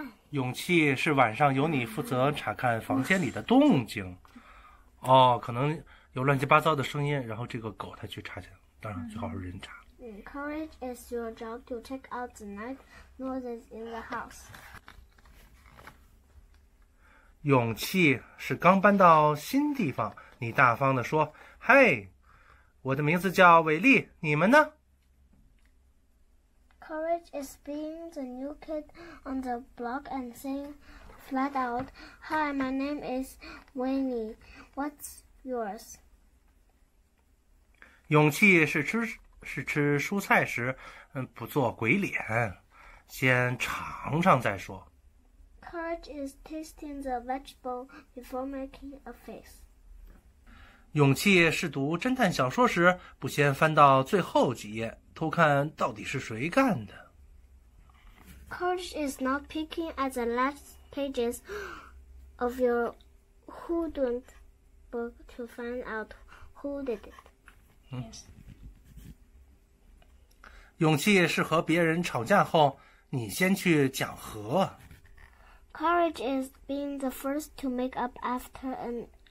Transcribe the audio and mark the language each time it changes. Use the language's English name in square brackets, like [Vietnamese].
[Chinese] 勇气是晚上由你负责查看房间里的动静。可能有乱七八糟的声音，然后这个狗它去查去了，当然最好是人查。 [English] Courage is your job to check out the night noises in the house. [Chinese] 勇气是刚搬到新地方，你大方地说：“嘿，我的名字叫韦利，你们呢？” [English] Courage is being the new kid on the block and saying flat out, "Hi, my name is Winnie. What's yours?" [Chinese] 勇气是吃蔬菜时，不做鬼脸，先尝尝再说。 [English] Courage is tasting the vegetable before making a face. [Chinese] 勇气试读侦探小说时，不先翻到最后几页，偷看到底是谁干的。 [English] Courage is not peeking at the last pages of your whodunit book to find out who did it. Yes. [Chinese] 勇气是和别人吵架后，你先去讲和。 [English] Courage is being the first to make up after an